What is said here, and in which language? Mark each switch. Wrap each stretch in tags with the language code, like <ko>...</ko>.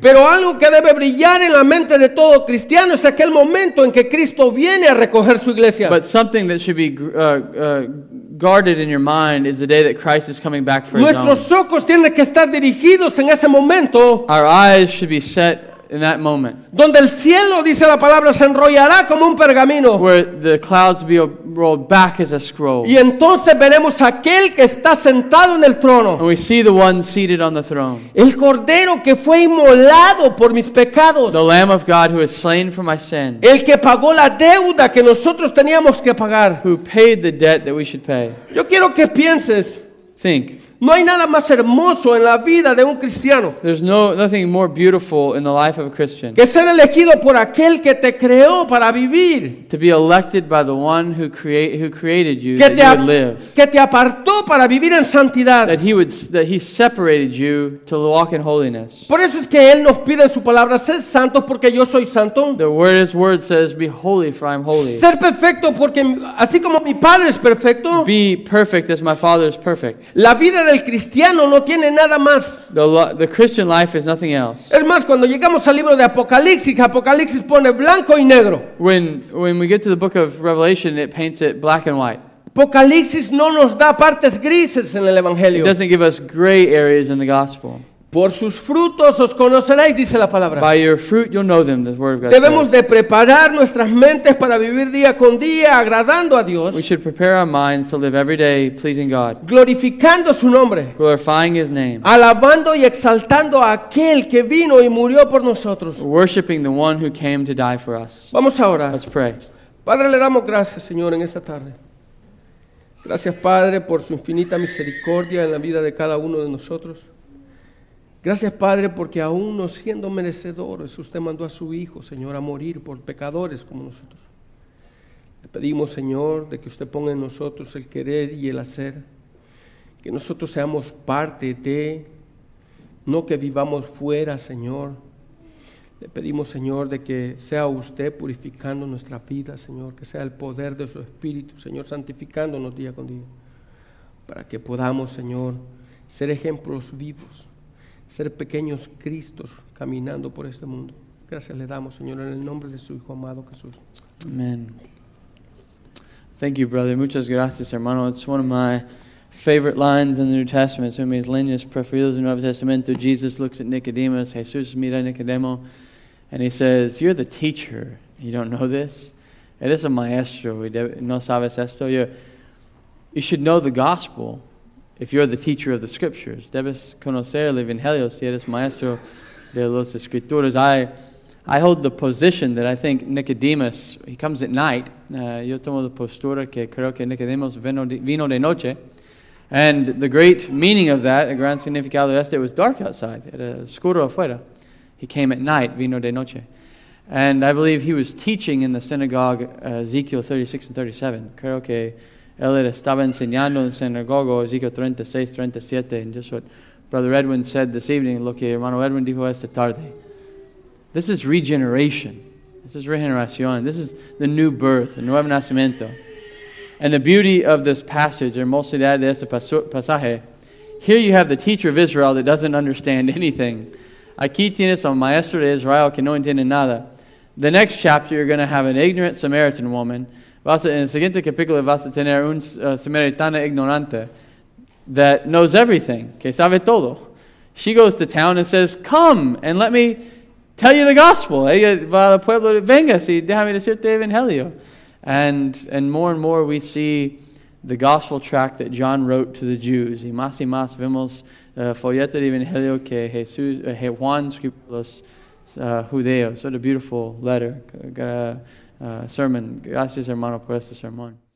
<es>Pero algo que debe brillar en la mente de todo cristiano es aquel momento en que Cristo viene a recoger su iglesia.</es> <en>But something that should be guarded in your mind is the day that Christ is coming back for</en> <es>Nuestros</es> <en>his own.</en> <es>Ojos tienen que estar dirigidos en ese momento.</es> <en>Our eyes should be set in that moment.</en> <es>Donde el cielo, dice la palabra, se enrollará como un pergamino.</es> <en>Where the clouds be rolled back as a scroll.</en> <es>Y entonces veremos aquel que está sentado en el trono.</es> <en>And we see the one seated on the throne.</en> <es>El cordero que fue inmolado por mis pecados.</es> <en>The lamb of God who is slain for my sin.</en> <es>El que pagó la deuda que nosotros teníamos que pagar.</es> <en>Who paid the debt that we should pay.</en> <es>Yo quiero que pienses.</es> <en>Think.</en> <es>No hay nada más hermoso en la vida de un cristiano.</es> <en>There's nothing more beautiful in the life of a Christian.</en> <es>Que ser elegido por aquel que te creó para vivir.</es> <en>To be elected by the one who created you that you would live.</en> <es>Que te apartó para vivir en santidad.</es> <en>That he separated you to walk in holiness.</en> <es>Por eso es que él nos pide su palabra, ser santos porque yo soy santo.</es> <en>The word his word says, be holy for I'm holy.</en> <es>Ser perfecto porque así como mi padre es perfecto.</es> <en>Be perfect as my father is perfect.</en> <es>La vida del cristiano no tiene nada más.</es> <en>The Christian life is nothing else.</en> <es>Es más, cuando llegamos al libro de Apocalipsis, Apocalipsis pone blanco y negro.</es> <en>When we get to the book of Revelation, it paints it black and white.</en> <es>Apocalipsis no nos da partes grises en el Evangelio.</es> <en>It doesn't give us gray areas in the gospel.</en> <es>Por sus frutos os conoceréis, dice la palabra.</es> <en>By your fruit you'll know them, the word of God</en> <es>Debemos De preparar nuestras mentes para vivir día con día agradando a Dios.</es> <en>We should prepare our minds to live every day pleasing God.</en> <es>Glorificando su nombre.</es> <en>Glorifying his name.</en> <es>Alabando y exaltando a aquel que vino y murió por nosotros.</es> <en>Worshiping the one who came to die for us.</en> <es>Vamos a orar.</es> <en>Let's pray.</en> <es>Padre, le damos gracias, Señor, en esta tarde. Gracias, Padre, por su infinita misericordia en la vida de cada uno de nosotros. Gracias, Padre, porque aún no siendo merecedores, usted mandó a su Hijo, Señor, a morir por pecadores como nosotros. Le pedimos, Señor, de que usted ponga en nosotros el querer y el hacer, que nosotros seamos parte de, no que vivamos fuera, Señor. Le pedimos, Señor, de que sea usted purificando nuestra vida, Señor, que sea el poder de su Espíritu, Señor, santificándonos día con día, para que podamos, Señor, ser ejemplos vivos, ser pequeños Cristos caminando por este mundo. Gracias le damos, Señor, en el nombre de su Hijo amado Jesús.</es> <en>Amén. Thank you, brother.</en> <es>Muchas gracias, hermano.</es> <en>It's one of my favorite lines in the New Testament.</en> <es>Son mis líneas preferidas en el Nuevo Testamento.</es> <en>Jesus looks at Nicodemus.</en> <es>Jesús mira a Nicodemo.</es> <en>And he says, you're the teacher. You don't know this?</en> <es>Eres el maestro. No sabes esto.</es> <en>You should know the gospel if you're the teacher of the scriptures.</en> <es>Debes conocer el evangelio si eres maestro de los escrituras.</es> <en>I hold the position that I think Nicodemus, he comes at night.</en> <es>Yo tomo la postura que creo que Nicodemus vino de noche.</es> <en>And the great meaning of that, the</en> <es>gran significado de este,</es> <en>it was dark outside.</en> <es>Era oscuro afuera.</es> <en>He came at night,</en> <es>vino de noche.</es> <en>And I believe he was teaching in the synagogue, Ezekiel 36 and 37.</en> <es>Creo que él estaba enseñando en el sinagogo, Ezekiel 36, 37.</es> <en>And just what Brother Edwin said this evening,</en> <es>lo que hermano Edwin dijo esta tarde.</es> <en>This is regeneration. This is regeneración. This is the new birth, the</en> <es>nuevo nacimiento.</es> <en>And the beauty of this passage,</en> <es>hermosidad de este pasaje,</es> <en>here you have the teacher of Israel that doesn't understand anything.</en> <es>Aquí tienes al maestro de Israel que no entiende nada.</es> <en>The next chapter, you're going to have an ignorant Samaritan woman.</en> <es>En el siguiente capítulo vas a tener un samaritana ignorante</es> <en>that knows everything,</en> <es>que sabe todo.</es> <en>She goes to town and says, come and let me tell you the gospel.</en> <es>Ella va al pueblo, venga, si déjame decirte evangelio.</es> <en>And more and more we see the gospel tract that John wrote to the Jews.</en> <es>Y más vemos folleto de evangelio que Jesús, Juan escribió los judeos.</es> <en>What a beautiful letter, sermon.</en> <es>Gracias, hermano, por este sermón.</es>